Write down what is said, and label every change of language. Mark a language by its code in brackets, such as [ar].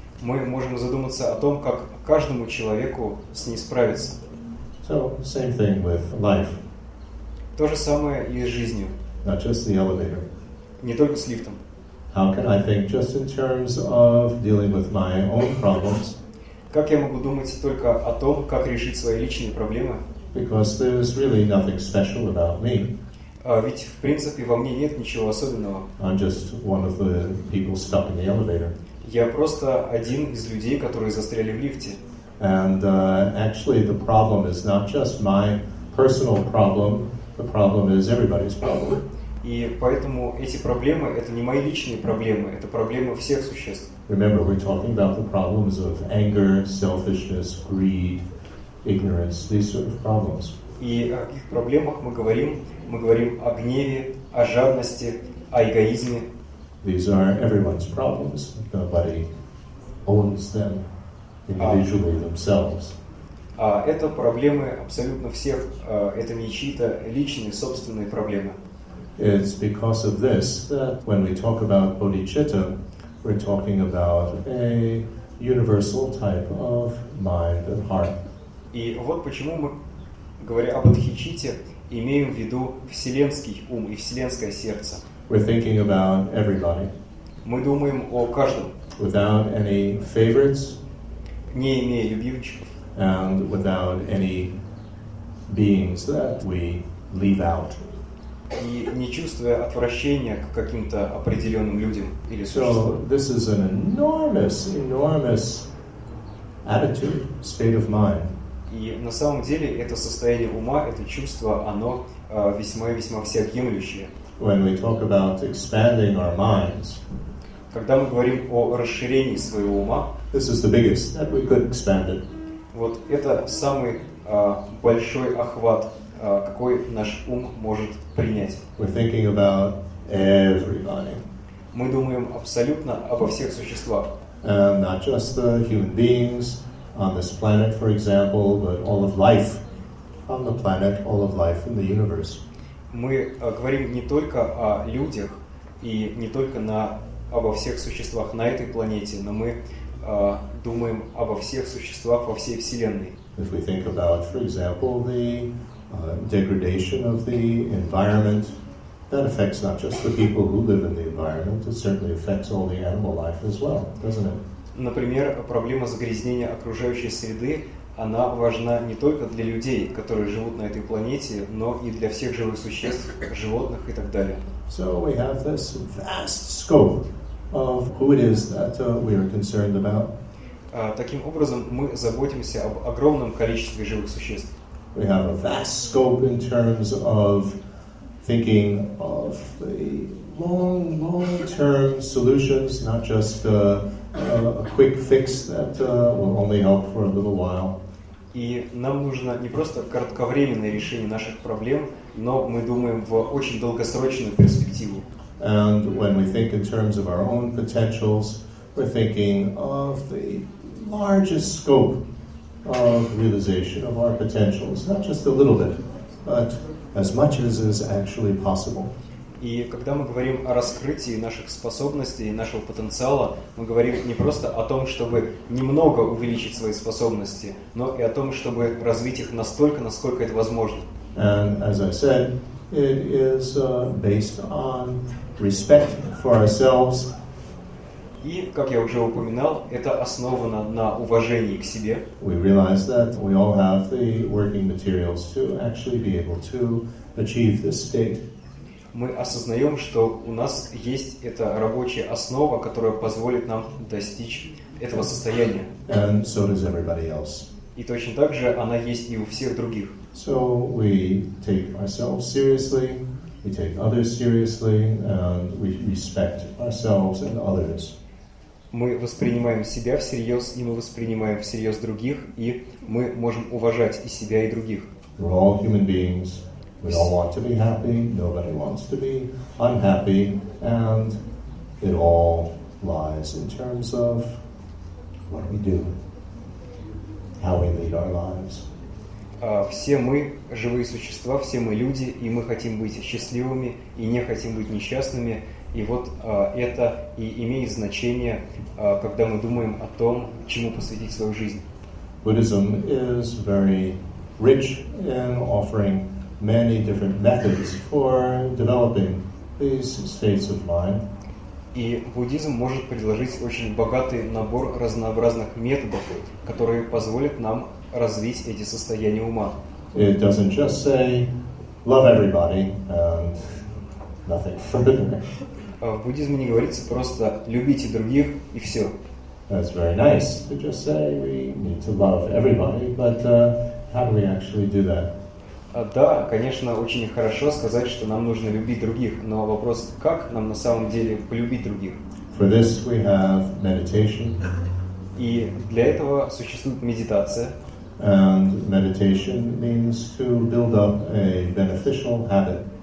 [ru] Мы можем задуматься о том, как каждому человеку с ней справиться. [en] So, same thing with life. [ru] То же самое и с жизнью. [en] Not just the elevator. [ru] Не только с лифтом. [en] How can I think just in terms of dealing with my own problems? [ru] Как я могу думать только о том, как решить свои личные проблемы? [en] Because there's really nothing special about me. [ru] Ведь в принципе во мне нет ничего особенного. [en] I'm just one of the people stuck in the elevator. [ru] Я просто один из людей, которые застряли в лифте. [en] And actually, the problem is not just my personal problem. The problem is everybody's problem. [ru] И поэтому эти проблемы — это не мои личные проблемы, это проблемы всех существ. [en] Remember, we're talking about the problems of anger, selfishness, greed, ignorance, these sort of problems. [ru] И о каких проблемах мы говорим? Мы говорим о гневе, о жадности, о эгоизме. [en] These are everyone's problems. Nobody owns them individually themselves. [ru] Это проблемы абсолютно всех. Это не чьи-то личные, собственные проблемы. [en] It's because of this that when we talk about bodhicitta, we're talking about a universal type of mind and heart. [ru] И вот почему мы, говоря о бодхичитте, имеем в виду вселенский ум и вселенское сердце. [en] We're thinking about everybody. [ru] Мы думаем о каждом. [en] Without any favorites. [ru] Не имея любимчиков. [en] And without any beings that we leave out. [ru] И не чувствуя отвращения к каким-то определенным людям или существам. [en] So this is an enormous, enormous attitude, state of mind. [ru] И на самом деле это состояние ума, это чувство, оно весьма-весьма всеобъемлющее. [en] When we talk about expanding our minds, [ru] когда мы говорим о расширении своего ума, [en] this is the biggest that we could expand it. [ru] Вот это самый большой охват, какой наш ум может принять. [en] We're thinking about everybody. [ru] Мы думаем абсолютно обо всех существах. [en] Not just the human beings on this planet, for example, but all of life on the planet, all of life in the universe. [ru] Мы говорим не только о людях и не только обо всех существах на этой планете, но мы думаем обо всех существах во всей Вселенной. [en] If we think about, for example, the degradation of the environment, that affects not just the people who live in the environment, it certainly affects all the animal life as well, doesn't it? [ru] Например, проблема загрязнения окружающей среды, она важна не только для людей, которые живут на этой планете, но и для всех живых существ, животных и так далее. [en] So we have this vast scope of who it is that we are concerned about. [ru] Таким образом, мы заботимся об огромном количестве живых существ. [en] We have a vast scope in terms of thinking of the long-term solutions, not just a quick fix that will only help for a little while. [ru] И нам нужно не просто кратковременное решение наших проблем, но мы думаем в очень долгосрочную перспективу. [en] And when we think in terms of our own potentials, we're thinking of the largest scope of realization of our potentials, not just a little bit, but as much as is actually possible. [ru] И когда мы говорим о раскрытии наших способностей, нашего потенциала, мы говорим не просто о том, чтобы немного увеличить свои способности, но и о том, чтобы развить их настолько, насколько это возможно. [en] And as I said, it is based on respect for ourselves, [ru] И, как я уже упоминал, это основано на уважении к себе. [en] We realize that we all have the working materials to actually be able to achieve this state. [ru] Мы осознаем, что у нас есть эта рабочая основа, которая позволит нам достичь этого состояния. [en] And so does everybody else. [ru] И точно так же она есть и у всех других. [en] So we take ourselves seriously, we take others seriously, and we respect ourselves and others. [ru] Мы воспринимаем себя всерьез, и мы воспринимаем всерьез других, и мы можем уважать и себя, и других. [en] We're all human beings. We all want to be happy. Nobody wants to be unhappy. And it all lies in terms of what we do, how we lead our lives. [ru] Все мы живые существа, все мы люди, и мы хотим быть счастливыми и не хотим быть несчастными. И вот это и имеет значение, когда мы думаем о том, чему посвятить свою жизнь. [en] Buddhism is very rich in offering many different methods for developing these states of mind. [ru] И буддизм может предложить очень богатый набор разнообразных методов, которые позволят нам развить эти состояния ума. [en] It doesn't just say love everybody and nothing further. [ru] В буддизме не говорится просто любите других и все. [en] That's very nice to just say we need to love everybody, but how do we actually do that? [ru] Да, конечно, очень хорошо сказать, что нам нужно любить других, но вопрос, как нам на самом деле полюбить других? [en] For this we have meditation. [ru] И для этого существует медитация. [en] And meditation means to build up a beneficial habit.